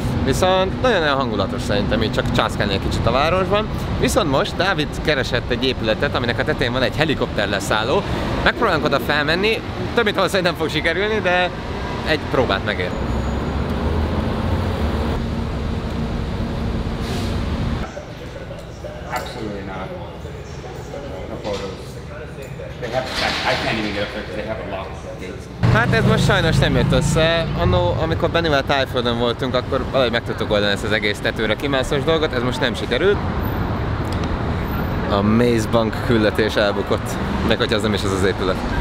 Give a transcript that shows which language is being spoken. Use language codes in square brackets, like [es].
[hu] Viszont nagyon elhangulatos szerintem, így csak császkálni egy kicsit a városban. Viszont most Dávid keresett egy épületet, aminek a tetején van egy helikopter leszálló. Megpróbálunk oda felmenni, több mint valószínűleg nem fog sikerülni, de egy próbát megér. [en] They have, I can't even get up there because they have a locked gate. Huh. [hu] Hát ez most sajnos nem jött össze. Anno, amikor Bennyvel Tájföldön voltunk, akkor valahogy meg tudtuk oldani ezt az egész tetőre kimászós dolgot, ez most nem sikerült. A Maze Bank küldetés elbukott. Meg hogy az nem is az az épület.